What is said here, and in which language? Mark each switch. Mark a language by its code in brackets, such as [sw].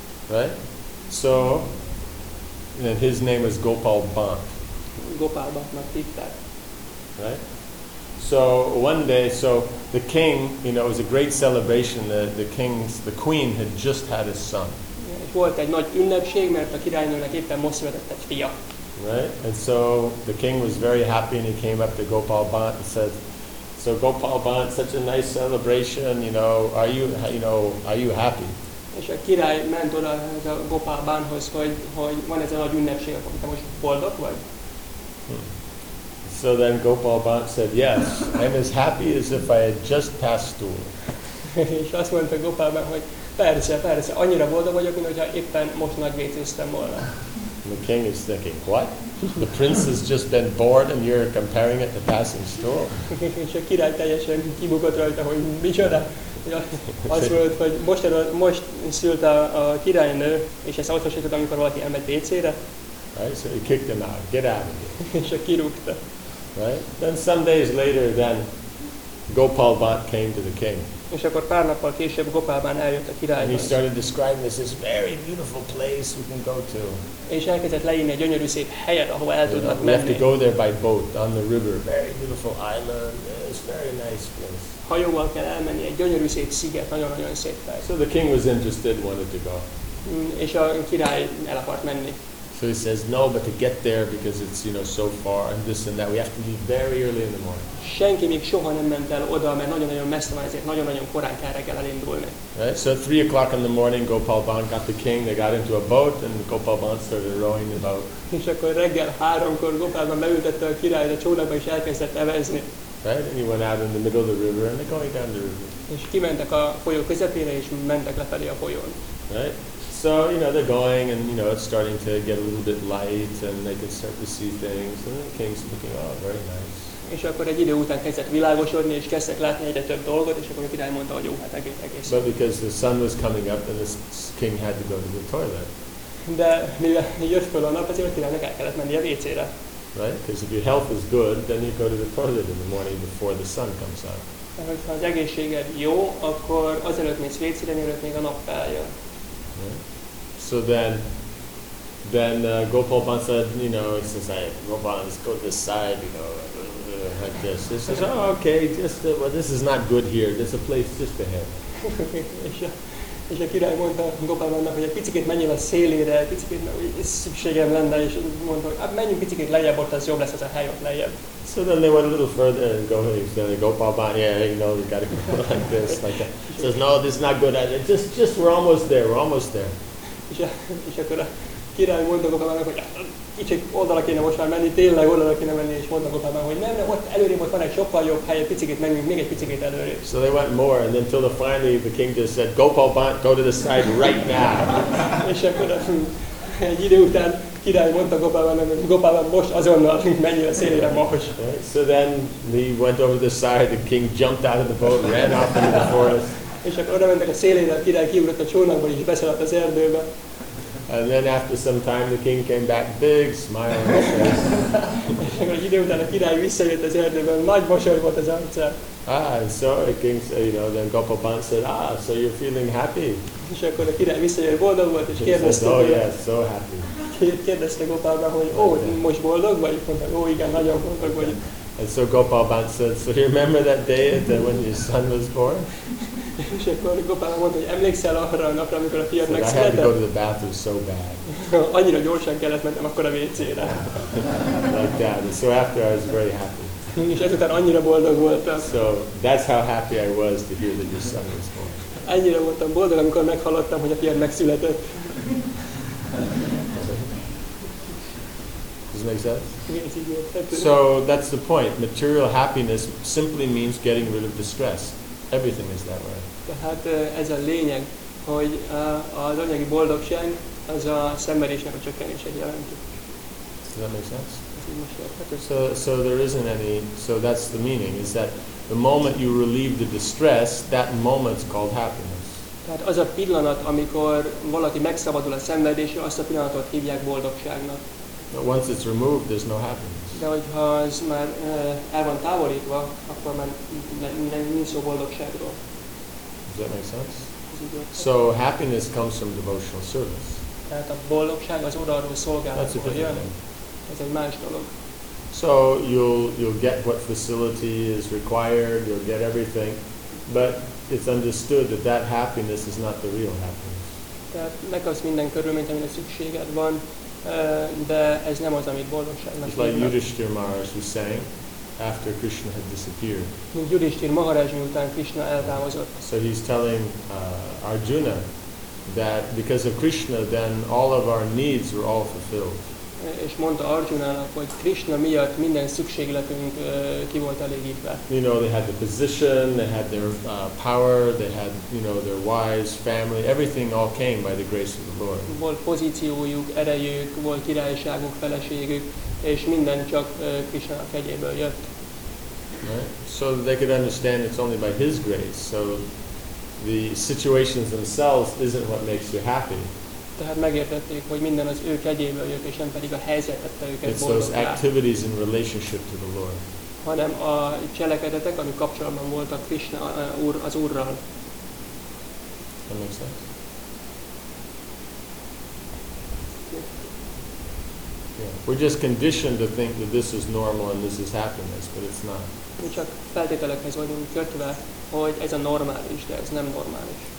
[en] Right? So, and his name is Gopal Bhatt. Gopal Bhatt, not like that. Right? So, one day, so the king, you know, it was a great celebration that the king's, the queen had just had his son. [hu] Volt egy nagy ünnepség, mert a királynőnek éppen most született egy fia. [en] Right? And so the king was very happy and he came up to Gopal Bhatt and said, so Gopal Bhatt, such a nice celebration, you know, are you happy? [hu] És a király ment oda a Gopal Bhatthoz, hogy van ez a nagy ünnepség, akkor te most boldog vagy? [en] So then Gopal Bhatt said, yes, I'm as happy as if I had just passed through. [hu] És azt mondta Gopal Bhatt, hogy persze, annyira boldog vagyok, mintha éppen most megvécéztem volna. [en] The king is thinking, what? The prince has just been born and you're comparing it to passing stool? [hu] És a király teljesen kibukott rajta, hogy micsoda. Az volt, hogy most szült a királynő, és ezt autósított, amikor valaki elmegy WC-re. [en] Right, so he kicked him out, get out of here. [hu] És a kirúgta. [en] Right? Then some days later, then Gopal Bhatt came to the king. [hu] És akkor pár nappal később Gopalban eljött a királyhoz. [en] He started describing this very beautiful place we can go to. [hu] És elkezdett leírni egy gyönyörű szép helyet, ahova el tudnak menni. [en] We have to go there by boat on the river. Very beautiful island. It's very nice place. [hu] Hajóval kell elmenni egy gyönyörű szép sziget, nagyon-nagyon szép hely. [en] So the king was interested, wanted to go. [hu] És a király el akart menni. [en] So he says, no, but to get there because it's, you know, so far and this and that, we have to leave very early in the morning. [hu] Senki még soha nem ment el oda, mert nagyon-nagyon messze van, ezért nagyon-nagyon korán kell reggel elindulni. [en] Right? So at 3 o'clock in the morning, Gopal Bhatt got the king, they got into a boat, and Gopal Bhatt started rowing the boat. [hu] És akkor reggel 3-kor Gopal Bhatt beültette a királyt a csónakba, és elkezdett evezni. [en] Right? And he went out in the middle of the river, and they're going down the river. [hu] És kimentek a folyó közepére, és mentek lefelé a folyón. [en] Right? So, you know, they're going and, you know, it's starting to get a little bit light and they can start to see things. And the king's looking, oh, very nice. [hu] És akkor egy idő után kezdett világosodni, és kezdtek látni egyre több dolgot, és akkor a király mondta, hogy jó, hát egész. [en] But because the sun was coming up, and the king had to go to the toilet. [hu] De mivel jött fel a nap, azért a királynak el kellett menni a WC-re. [en] Right? Because if your health is good, then you go to the toilet in the morning before the sun comes up. [hu] Mert ha az egészséged jó, akkor azelőtt mész WC-re, mielőtt még a nap feljön. [en] So then Gopal Bhatt said, you know, he says, hey, Gopal, let's go to this side, you know, like this. He says, oh, okay, just, well, this is not good here, there's a place just ahead. [hu] És a király mondta Gopal Bhattnak, hogy egy picit menjél a szélére, picit szükségem lenne, és mondta, hogy menjünk picit lejjebb, ott az jobb lesz, az a hely ott lejjebb. [en] So then they went a little further and go, he said, Gopal Bhatt, yeah, you know, we gotta go like this, like that. He says, no, this is not good, just, we're almost there. [hu] És akkor a király mondta Gopal Bhattnak, hogy kicsit oldalra kéne most már menni, tényleg oldalra kéne menni, és mondta Gopal Bhatt, hogy nem, ott előrébb ott van egy sokkal jobb hely, picit menjünk még egy picit előrébb. [en] So they went more, and then till the finally the king just said, Gopal Bhatt, go to the side right now. [hu] És akkor egy idő után király mondta Gopal Bhattnak, hogy Gopal Bhatt, most azonnal menjél a szélére most. [en] So then he went over the side, the king jumped out of the boat, ran off into the forest. [hu] És akkor oda mentek a szélére, a király kiugrott a csónakból, és beszaladt az erdőbe. [en] And then after some time the king came back, big smile on his face. [hu] És akkor egy idő után a király visszajött az erdőben, nagy mosoly volt az arca. [en] Ah, and so the king said, you know, then Gopal Bhatt said, ah, so you're feeling happy. [hu] És akkor a király visszajött, boldog volt, és kérdezte, [en] oh yes, so happy. [hu] Kérdezte Gopal Bhatt, hogy ó, most boldog vagy? Mondta, ó, igen, nagyon boldog vagy. [en] And so Gopal Bhatt said, so you remember that day that when your son was born? [hu] És akkor Gopal Bhatt mondta, hogy emlékszel arra a napra, amikor a fiad megszületett? [en] I had to go to the bathroom so bad. [hu] Annyira gyorsan kellett mennem akkor a WC-re. [en] Like that. So after I was very happy. [hu] És ezután annyira boldog voltam. [en] So that's how happy I was to hear that your son was born. [hu] Annyira voltam boldog, amikor meghallottam, hogy a fiad megszületett. [en] Does that make sense? So that's the point. Material happiness simply means getting rid of distress. Everything is that way. [hu] Tehát ez a lényeg, hogy az anyagi boldogság az a szenvedésnek a csökkenését jelenti. [en] Does that make sense? So there isn't any. So that's the meaning. Is that The moment you relieve the distress, that moment's called happiness. [hu] Tehát az a pillanat, amikor valaki megszabadul a szenvedésről, azt a pillanatot hívják boldogságnak. [en] But once it's removed, there's no happiness. [hu] De hogyha az már el van távolítva, akkor már nincs szó boldogságról. [en] Does that make sense? So happiness comes from devotional service. [hu] Tehát a boldogság az odaadó szolgálatból jön. Ez egy más dolog. [en] So you'll get what facility is required, you'll get everything, but it's understood that that happiness is not the real happiness. [hu] Tehát megkapsz minden körülményt, amire szükséged van, de ez nem az, amit boldogságnak hívnak. [en] Like Yudhishthira Maharaj was saying, after Krishna had disappeared. [hu] Mint Yudhishthira Maharaj, miután Krishna eltávozott. [en] So he's telling Arjuna that because of Krishna, then all of our needs were all fulfilled. [hu] És mondta Arjunának, hogy Krishna miatt minden szükségletünk ki volt elégítve. [en] You know, they had the position, they had their power, they had, you know, their wives, family, everything all came by the grace of the Lord. [hu] Volt pozíciójuk, erejük, volt királyságuk, feleségük, és minden csak Krishna kegyéből jött. [en] Right? So they could understand it's only by His grace. So the situations themselves isn't what makes you happy. [hu] Tehát megértették, hogy minden az ő kegyéből jött, és nem pedig a helyzet tette őket boldoggá. [en] It's those activities in relationship to the Lord. [hu] Hanem a cselekedetek, amik kapcsolatban voltak Krishna úr az Úrral. [en] That makes sense. Yeah. We're just conditioned to think that this is normal and this is happiness, but it's not. [hu] Mi csak feltételekhez vagyunk kötve, hogy ez a normális, de ez nem normális.